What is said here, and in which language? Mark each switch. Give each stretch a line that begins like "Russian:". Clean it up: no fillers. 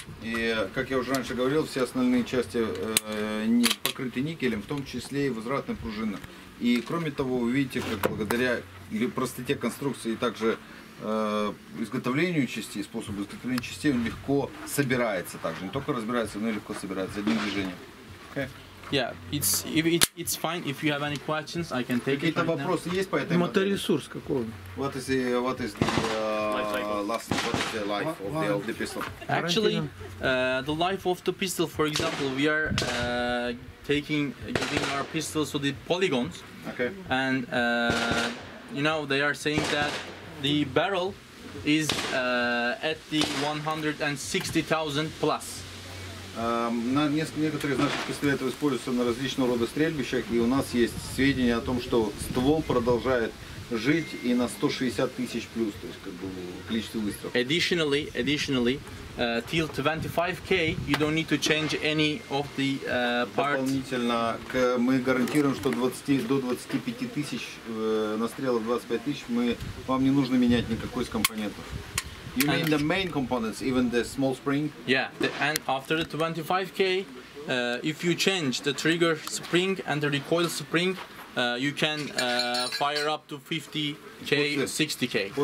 Russian: И как я уже раньше говорил, все основные части не покрыты никелем, в том числе и возвратная пружина. И кроме того, вы видите, как благодаря или простоте конструкции, и также изготовлению частей, способу изготовления частей, он легко собирается также. Не только разбирается, но и легко собирается одним движением.
English: Yeah, it's fine. If you have any questions, I can take
Russian: какие-то
English: it. Right,
Russian: вопросы
English: now.
Russian: Есть по этому? Моторесурс какой?
English: What is the life of the pistol? Actually, the life of the pistol. For example, we are giving our pistols to the polygons. Okay. And you know, they are saying that the barrel is at the 160,000 plus.
Russian: Некоторые из наших пистолетов используются на различного рода стрельбищах, и у нас есть сведения о том, что ствол продолжает жить и на 160 тысяч плюс, то есть как бы количество выстрелов.
English: Additionally, till 25k you don't need to change any of the parts.
Russian: Дополнительно мы гарантируем, что до 25 тысяч настрелов, 25 тысяч, вам не нужно менять никакой из компонентов.
English: You mean the main components, even the small spring? Yeah, and after the 25k, if you change the trigger spring and the recoil spring, you can fire up to 50k, 60k.